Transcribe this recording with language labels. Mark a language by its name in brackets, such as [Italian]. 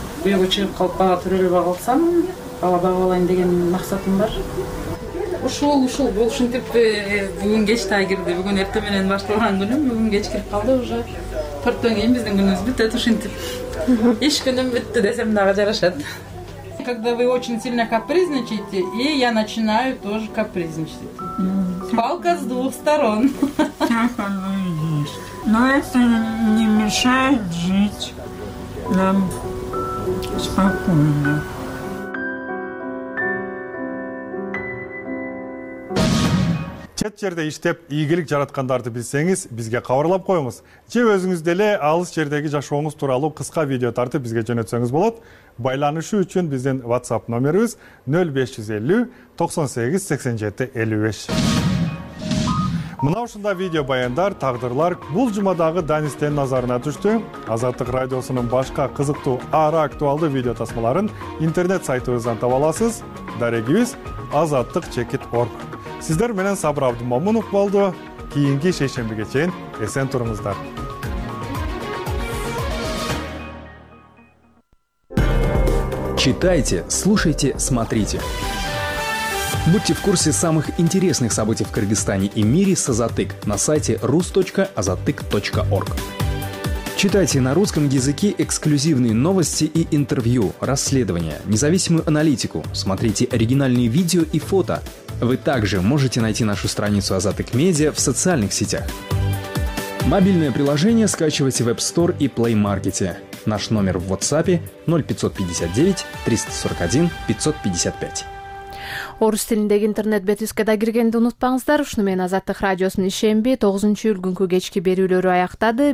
[Kyrgyz] Үйгө чыгып калып, бала төрөлүп калсам, бала багып алайын деген максатым бар. Ушул бул ушинтип бүгүн кеч дагы кирди. Бүгүн эртең менен башталган күнүм, бүгүн кеч кирип калды уже. Төрттөн кийин биздин күнүбүз бүтөт ушинтип. Иш күнүм бүттү десем дагы жарашат. [Russian] Когда вы очень сильно капризничаете, и я начинаю тоже капризничать. Палка с двух сторон. Так оно и есть. Но это не мешает жить нам спокойно. [Kyrgyz] Чет жерде иштеп ийгилик жараткандарды билсеңиз, бизге кабарлап коюңуз. Же өзүңүз деле алыс жердеги жашооңуз тууралуу кыска видео тартып бизге жөнөтсөңүз болот. Байланышуу үчүн биздин WhatsApp номерибиз 0550 98 87 55. Мына ушундай видео баяндар, тагдырлар бул жумадагы Данистен назарына түштү. Азаттык радиосунун башка кызыктуу ара актуалдуу видео тасмаларын интернет сайтыбыздан таба аласыз. Дарегибиз azattik.org. Сиздер менен Сабыр Абдымомунов болду. Кийинки шейшембиге чейин эсен туруңуздар. [Russian] Читайте, слушайте, смотрите. Будьте в курсе самых интересных событий в Кыргызстане и мире с Азаттык на сайте rus.azattik.org. Читайте на русском языке эксклюзивные новости и интервью, расследования, независимую аналитику, смотрите оригинальные видео и фото. Вы также можете найти нашу страницу Азаттык Медиа в социальных сетях. Мобильное приложение скачивайте в App Store и Play Market. Наш номер в WhatsApp 0559 341 555. [Kyrgyz] Орус тилиндеги интернет бетибизге да киргенди унутпаңыздар. Ушуну менен Азаттык радиосунун ишемби 9-июлгүнкү кечки берүүлөрү аяктады.